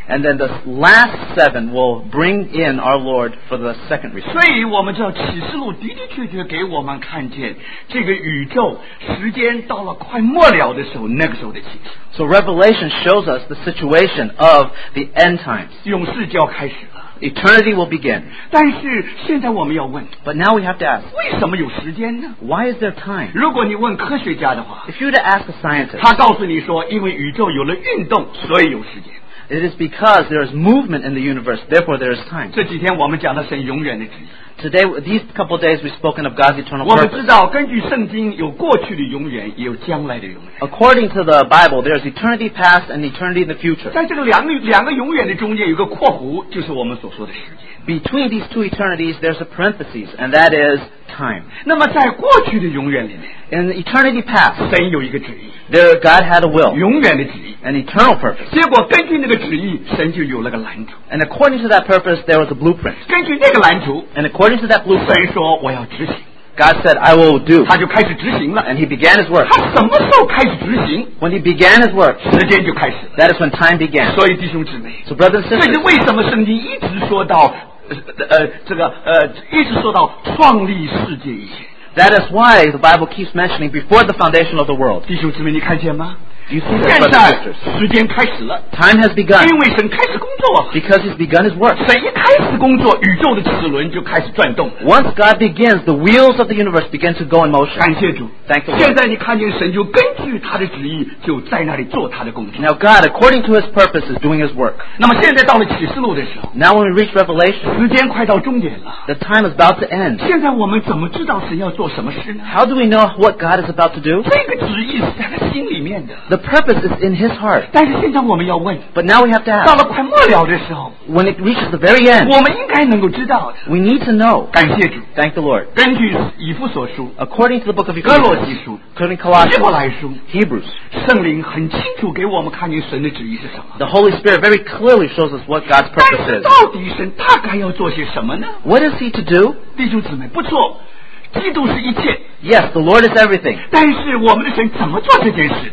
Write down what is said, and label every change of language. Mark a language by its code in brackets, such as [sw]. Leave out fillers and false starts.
[en] And then the last seven will bring in our Lord for the second return [zh] 所以我们知道启示录的的确确给我们看见这个宇宙时间到了快末了的时候那个时候的情形 [en] So Revelation shows us the situation of the end times [zh] 勇士就要开始了 [en] Eternity will begin. [zh] 但是现在我们要问 [en] But now we have to ask. [zh] 为什么有时间呢 [en] Why is there time? [zh] 如果你问科学家的话 [en] If you were to ask a scientist. [zh] 他告诉你说因为宇宙有了运动所以有时间 [en] It is because there is movement in the universe. Therefore there is time. [zh] 这几天我们讲的神永远的旨意 [en] Today, these couple of days we've spoken of God's eternal purpose. [zh] 我们知道根据圣经有过去的永远也有将来的永远 [en] According to the Bible, there is eternity past and eternity in the future. [zh] 在这个两个永远的中间有个括弧就是我们所说的时间 [en] Between these two eternities, there's a parenthesis, and that is time. [zh] 那么在过去的永远里面 [en] In eternity past, [zh] 神有一个旨意 [en] There, God had a will. [zh] 永远的旨意 [en] An eternal purpose. [zh] 结果根据那个旨意神就有了个蓝图 [en] And according to that purpose, there was a blueprint. [zh] 根据那个蓝图 [en] And according to that blueprint, [zh] 神说我要执行 [en] God said, I will do. [zh] 他就开始执行了 [en] And he began his work. [zh] 他什么时候开始执行 [en] When he began his work. [zh] 时间就开始了 [en] That is when time began. [zh] 所以弟兄姊妹 [en] So brothers and sisters. [zh] 所以为什么圣经一直说到一直说到创立世界以前 [en] That is why the Bible keeps mentioning before the foundation of the world. [zh] 弟兄姊妹你看见吗 [en] You see that from the scriptures. [zh] 时间开始了。 [en] Time has begun. [zh] 因为神开始工作。 [en] Because he's begun his work. [zh] 神一开始工作，宇宙的齿轮就开始转动。 [en] Once God begins, the wheels of the universe begin to go in motion. [zh] 感谢主。 [en] Thank you. [zh] 现在你看见神就根据他的旨意，就在那里做他的工作。 [en] Now God, according to his purpose, is doing his work. [zh] 那么现在到了启示录的时候。 [en] Now when we reach Revelation, [zh] 时间快到终点了。 [en] The time is about to end. [zh] 现在我们怎么知道神要做什么事呢？ [en] How do we know what God is about to do? [zh] 这个旨意是在他心里面的。 [en] The purpose is in his heart. [zh] 但是现在我们要问, [en] but now we have to ask. [zh] 到了快末了的时候, [en] when it reaches the very end, [zh] 我们应该能够知道的。 [en] We need to know. [zh] 感谢主。 [en] Thank the Lord. [zh] 根据以弗所书, [en] according to the book of Ephesians, according to Colossians, [zh] 希伯来书, [en] Hebrews, [zh] 圣灵很清楚给我们看见神的旨意是什么。 [en] The Holy Spirit very clearly shows us what God's purpose is. [zh] 但是到底神大概要做些什么呢? [en] What is he to do? [zh] 弟兄姊妹，不错。基督是一切。 [en] Yes, the Lord is everything. [zh] 但是我们的神怎么做这件事?